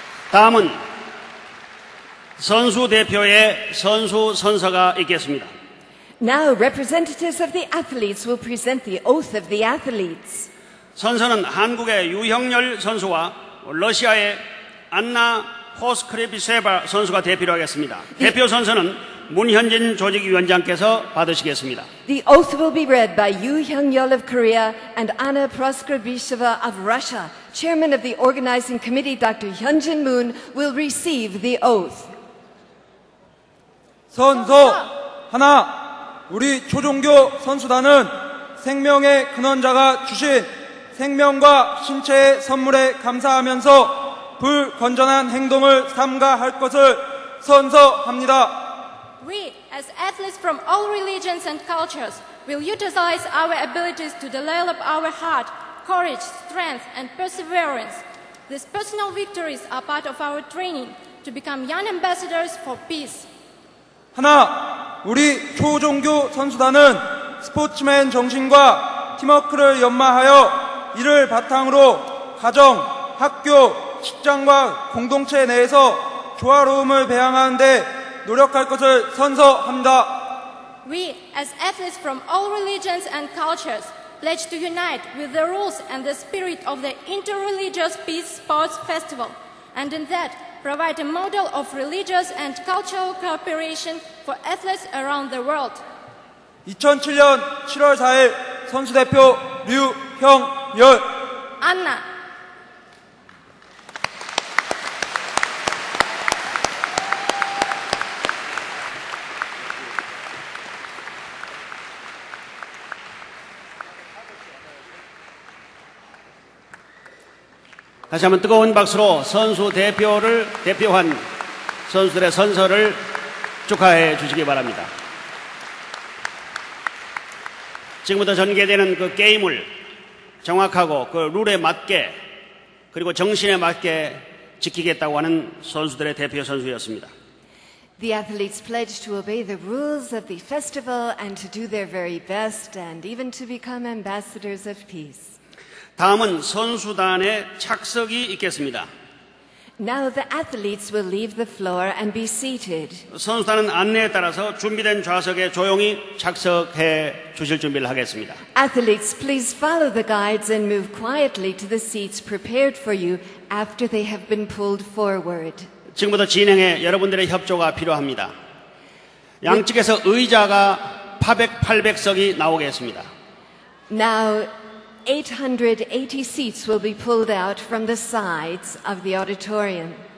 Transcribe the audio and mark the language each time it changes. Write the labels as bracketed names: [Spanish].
[Korean] 다음은 선수 대표의 선수 선서가 있겠습니다. [English] Now representatives of the athletes will present the oath of the athletes. [Korean] 선서는 한국의 유형렬 선수와 러시아의 안나 포스크레비세바 선수가 대표로 하겠습니다. 대표 선서는 문현진 조직위원장께서 받으시겠습니다. [English] The oath will be read by Yu Hyung-yeol of Korea and Anna Proskurbysheva of Russia. Chairman of the Organizing Committee, Dr. Hyunjin Moon, will receive the oath. [Korean] 선서 하나, 우리 초종교 선수단은 생명의 근원자가 주신 생명과 신체의 선물에 감사하면서 불건전한 행동을 삼가할 것을 선서합니다. [English] We, as athletes from all religions and cultures, will utilize our abilities to develop our heart, courage, strength, and perseverance. These personal victories are part of our training to become young ambassadors for peace. [Korean] 하나, 우리 초종교 선수단은 스포츠맨 정신과 팀워크를 연마하여 이를 바탕으로 가정, 학교, 직장과 공동체 내에서 조화로움을 배양하는데 노력할 것을 선서합니다. [English] We, as athletes from all religions and cultures, pledge to unite with the rules and the spirit of the Interreligious Peace Sports Festival, and in that, provide a model of religious and cultural cooperation for athletes around the world. [Korean] 2007년 7월 4일 선수 대표 류형열 안나. 다시 한번 뜨거운 박수로 선수 대표를 대표한 선수들의 선서를 축하해 주시기 바랍니다. 지금부터 전개되는 그 게임을 정확하고 그 룰에 맞게 그리고 정신에 맞게 지키겠다고 하는 선수들의 대표 선수였습니다. [English] The athletes pledged to obey the rules of the festival and to do their very best and even to become ambassadors of peace. [Korean] 다음은 선수단의 착석이 있겠습니다. [English] Now the athletes will leave the floor and be seated. [Korean] 선수단은 안내에 따라서 준비된 좌석에 조용히 착석해 주실 준비를 하겠습니다. [English] Athletes, please follow the guides and move quietly to the seats prepared for you after they have been pulled forward. [Korean] 지금부터 진행에 여러분들의 협조가 필요합니다. 양측에서 의자가 800, 800석이 나오겠습니다. [English] Now 880 seats will be pulled out from the sides of the auditorium.